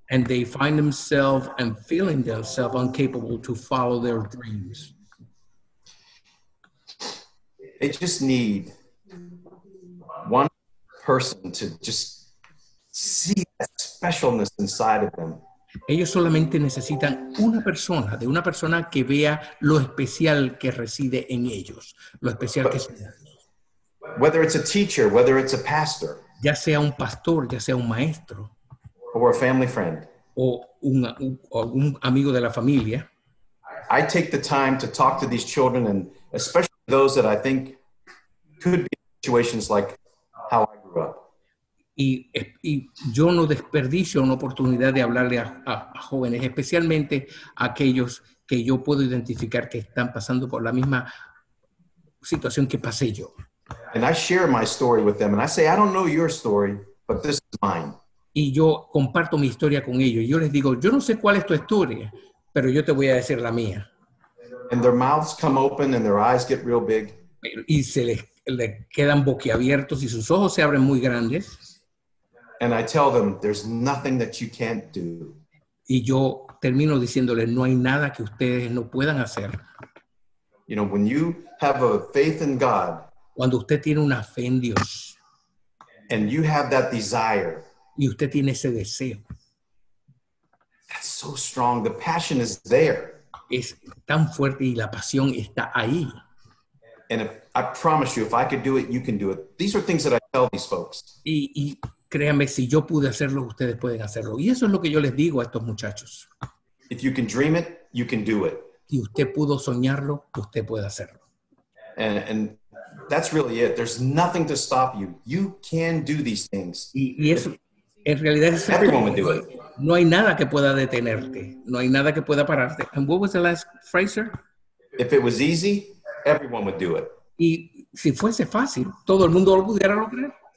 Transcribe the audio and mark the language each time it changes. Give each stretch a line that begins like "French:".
English: And they find themselves and feeling themselves incapable to follow their dreams. They just need one person to just see that specialness inside of them.
Spanish: Ellos solamente necesitan una persona, de una persona que vea lo especial que reside en ellos, lo especial que son.
English: Whether it's a teacher, whether it's a pastor.
Spanish: Ya sea un pastor, ya sea un maestro.
English: Or a family friend.
Spanish: O un amigo de la familia.
English: I take the time to talk to these children, and especially those that I think could be situations like how I grew up.
Spanish: Y yo no desperdicio una oportunidad de hablarle a jóvenes, especialmente a aquellos que yo puedo identificar que están pasando por la misma situación que pasé yo.
English: And I share my story with them, and I say, I don't know your story, but this is mine.
Spanish: Y yo comparto mi historia con ellos. Yo les digo, yo no sé cuál es tu historia, pero yo te voy a decir la mía.
English: And their mouths come open, and their eyes get real big.
Spanish: Y se les quedan boquiabiertos, y sus ojos se abren muy grandes.
English: And I tell them, there's nothing that you can't do.
Spanish: Y yo termino diciéndoles, no hay nada que ustedes no puedan hacer.
English: You know, when you have a faith in God,
Spanish: cuando usted tiene una fe en Dios,
English: and you have that desire,
Spanish: y usted tiene ese deseo,
English: that's so strong. The passion is there.
Spanish: Es tan fuerte y la pasión está ahí.
English: And if, I promise you, if I could do it, you can do it. These are things that I tell these folks.
Spanish: Y créanme, si yo pude hacerlo, ustedes pueden hacerlo. Y eso es lo que yo les digo a estos muchachos.
English: If you can dream it, you can do it.
Spanish: Si usted pudo soñarlo, usted puede hacerlo.
English: And that's really it. There's nothing to stop you. You can do these things.
Spanish: Y eso, en realidad, es
English: everyone would do it.
Spanish: No hay nada que pueda detenerte. No hay nada que pueda pararte.
English: And what was the last phrase? If it was easy, everyone would do it.
Spanish: Y si fuese fácil, todo el mundo lo pudiera lograr.